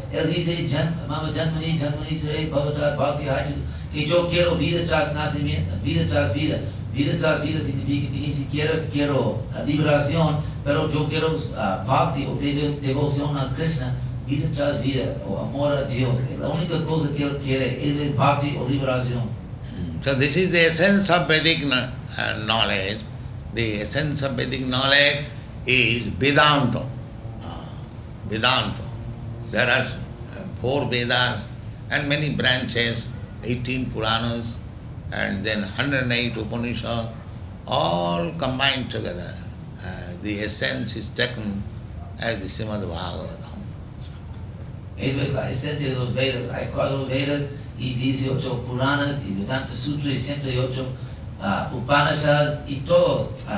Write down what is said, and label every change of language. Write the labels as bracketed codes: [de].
[es] Él dice, [sa] mama janmani, janmani sarai bhavatad bhakti hajit, [es] que yo quiero vida tras nacimiento, vida tras vida. Vida tras vida significa que ni siquiera quiero liberación, pero yo quiero bhakti o devoción a Krishna, vida tras vida, o amor a Dios. Es la única cosa que él quiere, es bhakti o liberación. [en] So this is the essence of Vedic knowledge. The essence of Vedic knowledge is Vedanta. Vedanta. There are four Vedas and many branches, 18 Puranas, and then 108 Upanishads, all combined together. The essence is taken as the Srimad Bhagavatam. [es] Eso es la esencia de los Vedas. Hay cuatro Vedas y 18 Puranas y Vedanta Sutra y 108 Upanishads y todo.